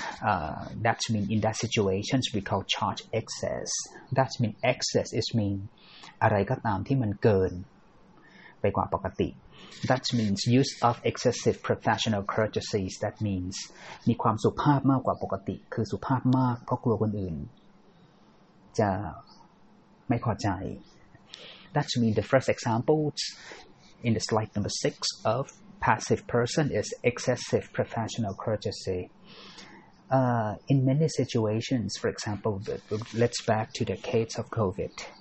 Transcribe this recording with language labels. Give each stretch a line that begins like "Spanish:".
English: That means in that situation, we call charge excess. That means excess is mean
Thai: อะไรก็ตามที่มันเกินไปกว่าปกติ
English: That means use of excessive professional courtesies. That means
Thai: มีความสุภาพมากกว่าปกติคือสุภาพมากเพราะกลัวคนอื่นจะไม่พอใจ
English: That means the first examples in the slide number 6 of passive person is excessive professional courtesy. In many situations, for example, let's back to the case of COVID.